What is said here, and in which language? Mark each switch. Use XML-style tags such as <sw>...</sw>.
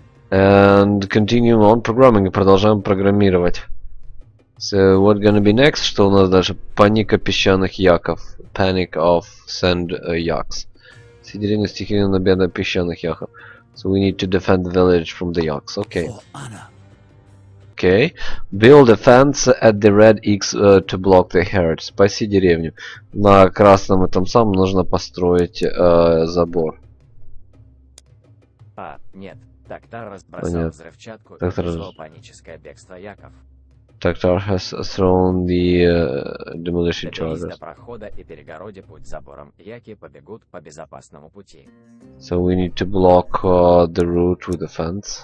<en>And continue on programming.</en> <ru>Продолжаем программировать.</ru> <en>So what gonna be next?</en> <ru>Что у нас дальше? Паника песчаных яков.</ru> <en>Panic of sand yaks.</en> <ru>Сидерина стихийного набега песчаных яков.</ru> <en>So we need to defend the village from the yaks. Okay. Okay. Build a fence at the red X to block the herd.</en> <ru>Спаси деревню. На красном этом самом нужно построить забор. А, нет. Доктор разбросал взрывчатку и пришло паническое бегство яков.</ru> <en>Доктор has thrown the demolition charges.</en> <ru>Доберись до прохода и перегороди путь забором. Яки побегут по безопасному пути.</ru> <en>So we need to block the route with the fence.</en>